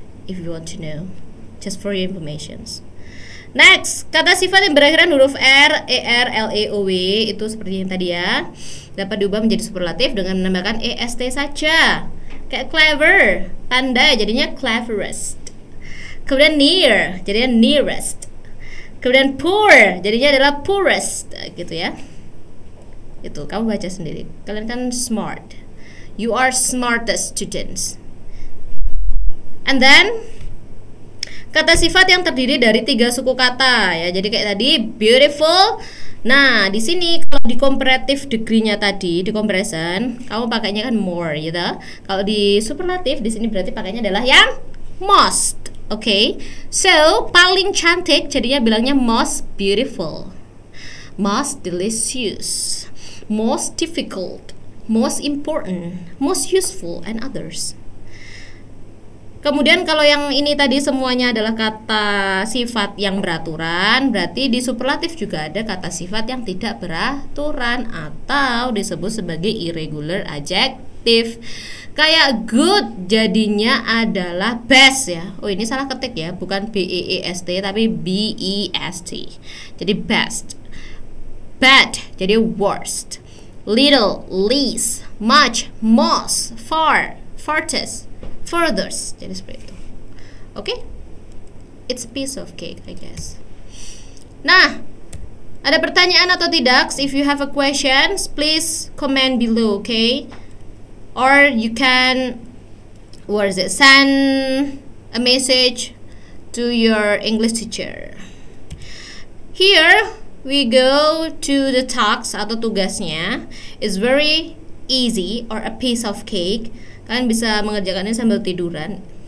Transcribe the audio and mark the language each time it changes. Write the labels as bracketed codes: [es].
[en] If you want to know, just for your information. [id] Next, kata sifat yang berakhiran huruf R, E, R, L, E, O, W itu seperti yang tadi ya, dapat diubah menjadi superlatif dengan menambahkan EST saja. Kayak clever, pandai, jadinya cleverest. Kemudian near, jadinya nearest. Kemudian poor, jadinya adalah poorest, gitu ya. Itu, kamu baca sendiri. Kalian kan smart. [en] You are smartest students. [id] And then kata sifat yang terdiri dari tiga suku kata ya. Jadi kayak tadi beautiful. Nah, di sini kalau di comparative degree-nya tadi di comparison, kamu pakainya kan more gitu. Kalau di superlative di sini berarti pakainya adalah yang most. Oke. Okay? So, paling cantik jadinya bilangnya most beautiful. Most delicious. Most difficult, most important, most useful and others. Kemudian kalau yang ini tadi semuanya adalah kata sifat yang beraturan, berarti di superlatif juga ada kata sifat yang tidak beraturan atau disebut sebagai irregular adjective. Kayak good jadinya adalah best ya. Oh, ini salah ketik ya, bukan B-E-E-S-T tapi B-E-S-T. Jadi best. Bad jadi worst. Little, least, much, most, far, farthest, furthers, jadi seperti itu. Oke? Okay? [en] It's a piece of cake, I guess. [id] Nah, ada pertanyaan atau tidak? [en] If you have a question, please comment below, okay? Or you can, what is it? Send a message to your English teacher. Here we go to the task atau tugasnya. It's very easy or a piece of cake. [id] Kalian bisa mengerjakannya sambil tiduran.